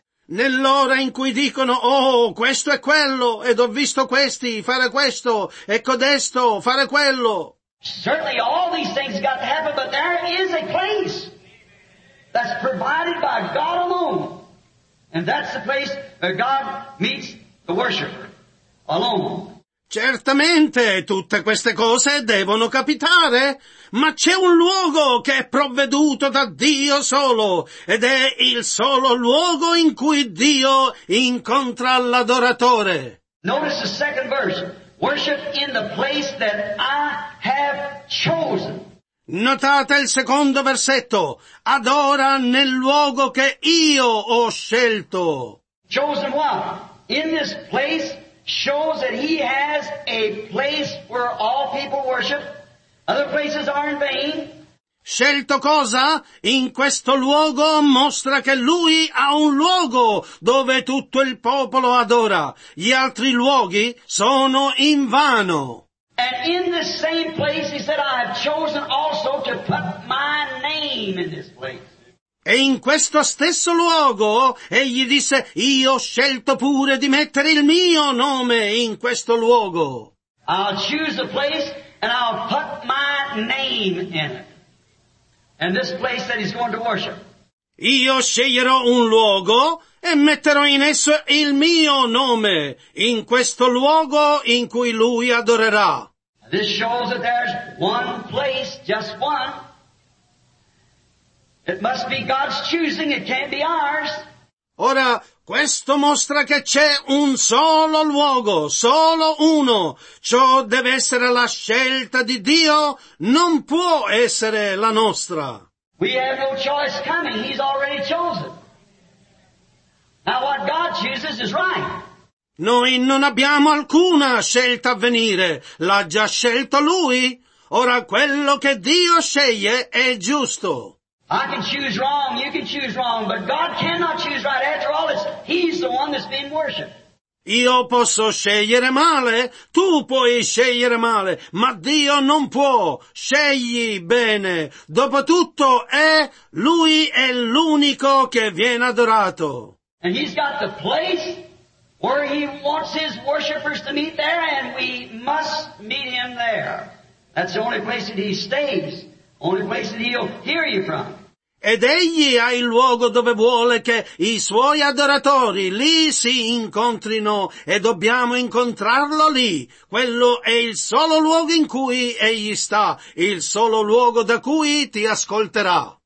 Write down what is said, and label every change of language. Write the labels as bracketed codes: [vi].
[it] Nell'ora in cui dicono, oh, questo è quello, ed ho visto questi fare questo, e codesto fare quello. [en] Certainly all these things got to happen, but there is a place that's provided by God alone. And that's the place where God meets the worshiper alone. [it] Certamente tutte queste cose devono capitare, ma c'è un luogo che è provveduto da Dio solo, ed è il solo luogo in cui Dio incontra l'adoratore. [en] Notice the second verse. Worship in the place that I have chosen. [it] Notate il secondo versetto. Adora nel luogo che io ho scelto. [en] Chosen what? In this place shows that he has a place where all people worship. Other places are in vain. [it] Scelto cosa? In questo luogo mostra che lui ha un luogo dove tutto il popolo adora. Gli altri luoghi sono in vano. [en] And in the same place he said, I have chosen also to put my name in this place. [it] E in questo stesso luogo, egli disse, io ho scelto pure di mettere il mio nome in questo luogo. [en] I'll choose a place and I'll put my name in it. And this place that he's going to worship. [it] Io sceglierò un luogo e metterò in esso il mio nome, in questo luogo in cui lui adorerà. [en] This shows that there's one place, just one. It must be God's choosing, it can't be ours. [it] Ora, questo mostra che c'è un solo luogo, solo uno. Ciò deve essere la scelta di Dio, non può essere la nostra. [en] We have no choice coming, he's already chosen. Now what God chooses is right. [it] Noi non abbiamo alcuna scelta a venire, l'ha già scelto lui. Ora quello che Dio sceglie è giusto. [en] I can choose wrong, you can choose wrong, but God cannot choose right. After all, it's He's the one that's being worshipped. [it] Io posso scegliere male, tu puoi scegliere male, ma Dio non può. Scegli bene. Dopotutto è Lui è l'unico che viene adorato. [en] And He's got the place where He wants His worshippers to meet there, and we must meet Him there. That's the only place that He stays. Only place that he'll hear you from. [it] Ed egli ha il luogo dove vuole che i suoi adoratori lì si incontrino e dobbiamo incontrarlo lì. Quello è il solo luogo in cui egli sta, il solo luogo da cui ti ascolterà.